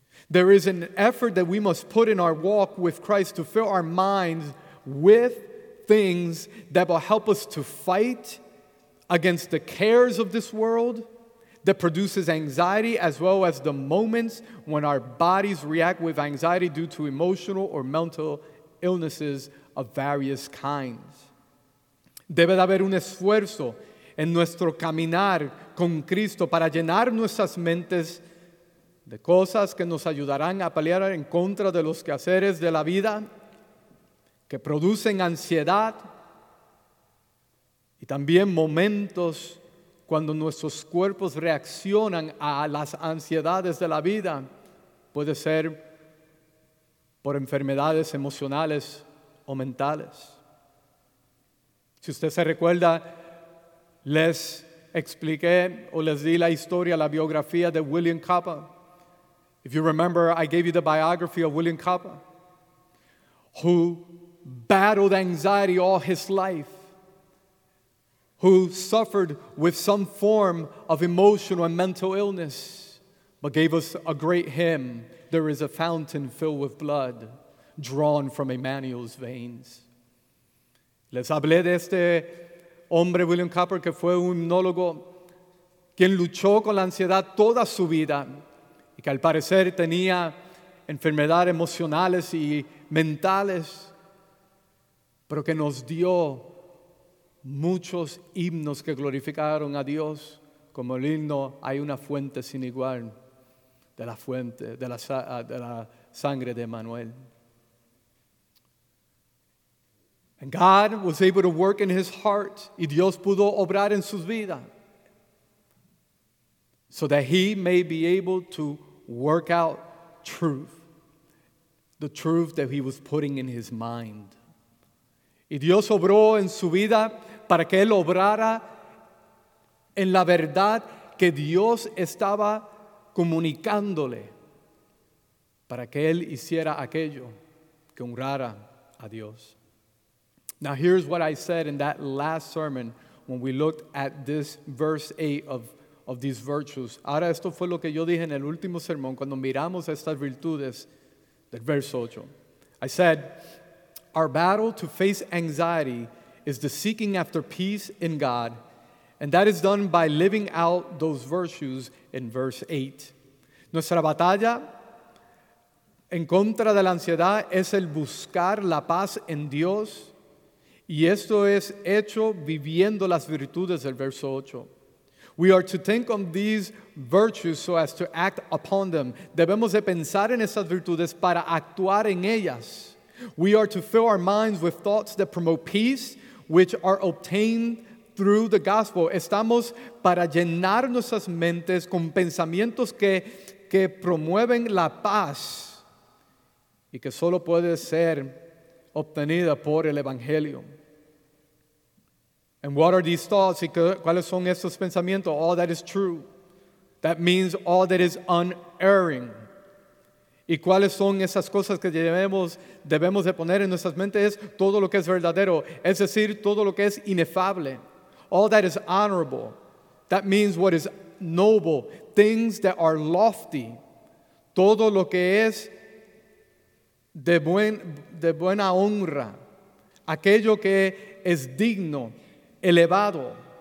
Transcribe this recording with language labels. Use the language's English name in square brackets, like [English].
[English] There is an effort that we must put in our walk with Christ to fill our minds with things that will help us to fight against the cares of this world, that produces anxiety, as well as the moments when our bodies react with anxiety due to emotional or mental illnesses of various kinds. [Spanish] Debe de haber un esfuerzo en nuestro caminar con Cristo para llenar nuestras mentes de cosas que nos ayudarán a pelear en contra de los quehaceres de la vida que producen ansiedad y también momentos cuando nuestros cuerpos reaccionan a las ansiedades de la vida, puede ser por enfermedades emocionales o mentales. Si usted se recuerda, les expliqué o les di la historia, la biografía de William Coppa. [English] If you remember, I gave you the biography of William Coppa, who battled anxiety all his life, who suffered with some form of emotional and mental illness, but gave us a great hymn, "There is a fountain filled with blood, drawn from Emmanuel's veins." [Spanish] Les hablé de este hombre, William Coppa, que fue un hipnólogo quien luchó con la ansiedad toda su vida y que al parecer tenía enfermedades emocionales y mentales, pero que nos dio muchos himnos que glorificaron a Dios, como el himno "Hay una fuente sin igual", de la fuente de la sangre de Emmanuel. [English] And God was able to work in his heart, [Spanish] y Dios pudo obrar en sus vidas, [English] so that he may be able to work out truth, the truth that he was putting in his mind. [Spanish] Y Dios obró en su vida para que él obrara en la verdad que Dios estaba comunicándole, para que él hiciera aquello que honrara a Dios. [English] Now here's what I said in that last sermon when we looked at this verse 8 of these virtues. [Spanish] Ahora esto fue lo que yo dije en el último sermón cuando miramos estas virtudes del verso 8. [English] I said, our battle to face anxiety is the seeking after peace in God, and that is done by living out those virtues in verse 8. [Spanish] Nuestra batalla en contra de la ansiedad es el buscar la paz en Dios, y esto es hecho viviendo las virtudes del verso 8. [English] We are to think on these virtues so as to act upon them. [Spanish] Debemos de pensar en esas virtudes para actuar en ellas. [English] We are to fill our minds with thoughts that promote peace, which are obtained through the gospel. [Spanish] Estamos para llenar nuestras mentes con pensamientos que promueven la paz y que solo puede ser obtenida por el evangelio. [English] And what are these thoughts? [Spanish] ¿Cuáles son estos pensamientos? [English] All that is true. That means all that is unerring. [Spanish] ¿Y cuáles son esas cosas que debemos de poner en nuestras mentes? Es todo lo que es verdadero, es decir, todo lo que es inefable. [English] All that is honorable. That means what is noble, things that are lofty. [Spanish] Todo lo que es de buena honra, aquello que es digno, elevado.